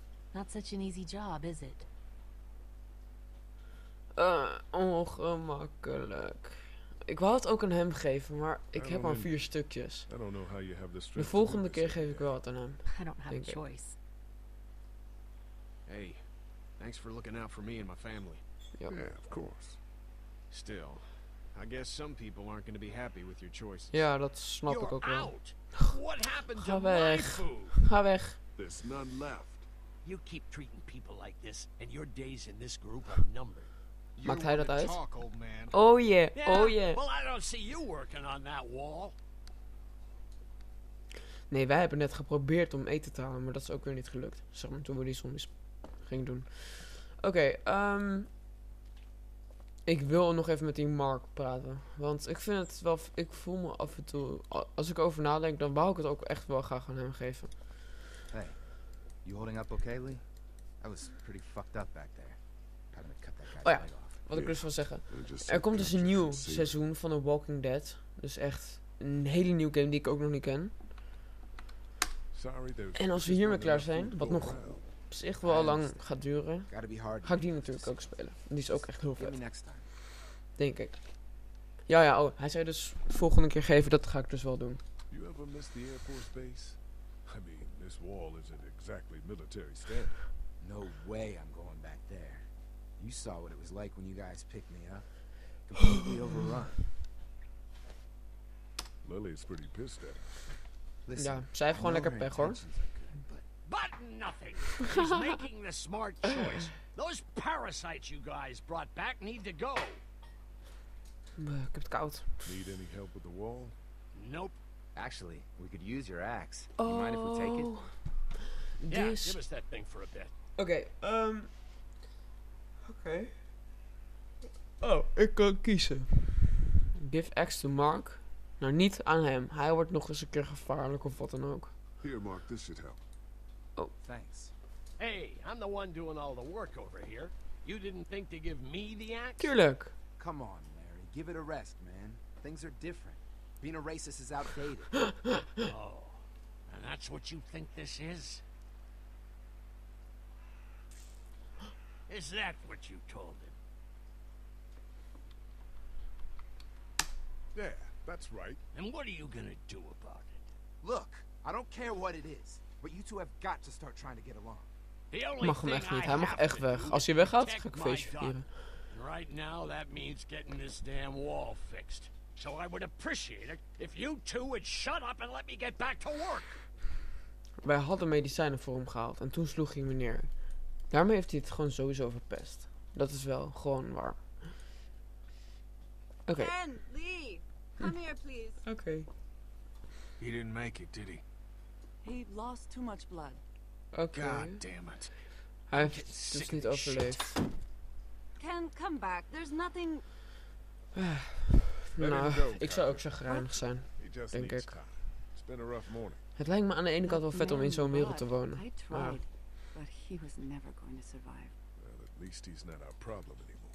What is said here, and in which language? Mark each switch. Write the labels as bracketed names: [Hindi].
[English] Not such an easy job, is it? [Dutch] Ongemakkelijk. Ik wou het ook aan hem geven, maar ik heb maar vier stukjes. De volgende keer geef ik wel wat aan hem. [English] I don't have a choice. Hey, thanks for looking out for me and my family. Yep. Yeah, of course. Still, I guess some people aren't going to be happy with your choices. [Dutch] Ja, dat snap ik ook wel. [English] You're out. What happened to my food? [Dutch] Ga weg. [English] There's none left. You keep treating people like this, and your days in this group are numbered. [Dutch] Maakt hij dat uit? [English] Oh yeah, oh yeah. Well, I don't see you working on that wall. [Dutch] Nee, wij hebben net geprobeerd om eten te halen, maar dat is ook weer niet gelukt. Zeg maar, toen we die zombies gingen doen. Oké, ik wil nog even met die Mark praten. Want ik vind het wel, ik voel me af en toe, als ik over nadenk, dan wou ik het ook echt wel graag aan hem geven. [English] Hey, you holding up okay, Lee? I was pretty fucked up back there. [Dutch] Oh ja, wat ik dus wil zeggen. Er komt dus een nieuw seizoen van The Walking Dead. Dus echt een hele nieuwe game die ik ook nog niet ken. En als we hiermee klaar zijn, wat nog op zich wel lang gaat duren, ga ik die natuurlijk ook spelen. Die is ook echt heel vet. Denk ik. Ja, ja, oh, hij zei dus volgende keer geven, dat ga ik dus wel doen. [English] You ever miss the Air Force Base? I mean, this wall isn't exactly military standard. No way I'm going back there. You saw what it was like when you guys picked me up. Completely overrun. Lily's pretty pissed at him. [Dutch] Ja, zij heeft gewoon lekker pech hoor. [English] But nothing. She's making the smart choice. Those parasites you guys brought back need to go. [Dutch] Ik heb het koud. [English] Need any help with the wall? Nope. Actually, we could use your axe. You mind if we take it? Yeah, this... give us that thing for a bit. [Dutch] Okay, Oké. Oh, ik kan kiezen. [English] Give X to Mark. [Dutch] Nou, niet aan hem. Hij wordt nog eens een keer gevaarlijk of wat dan ook. [English] Here, Mark, this should help. Oh. Thanks. Hey, I'm the one doing all the work over here. You didn't think to give me the axe? [Dutch] Tuurlijk. [English] Come on, Larry. Give it a rest, man. Things are different. Being a racist is outdated. Oh, and that's what you think this is? Is that what you told him? Yeah, that's right. And what are you gonna do about it? Look, I don't care what it is, but you two have got to start trying to get along. [Dutch] The only mag hem echt niet. Hij mag echt weg. Als hij weggaat, ga ik feestje vieren. [English] And right now, that means getting this damn wall fixed. So I would appreciate it if you two would shut up and let me get back to work. [Dutch] Wij hadden medicijnen voor hem gehaald en toen sloeg hij me neer. Daarmee heeft hij het gewoon sowieso verpest. Dat is wel gewoon waar. Oké. Okay. [English] Ken, Lee, come here, please. Oké. Okay. He didn't make it, did he? He lost too much blood. Oké. Okay. God damn it. [Dutch] Hij heeft dus niet overleefd. [English] Ken, come back. There's nothing. [Dutch] Nou, ik zou ook chagrijnig zijn, denk ik. [English] It's been a rough morning. [Dutch] Het lijkt me aan de ene kant wel vet om in zo'n wereld te wonen. Maar... [English] but he was never going to survive. Well, at least he's not our problem anymore.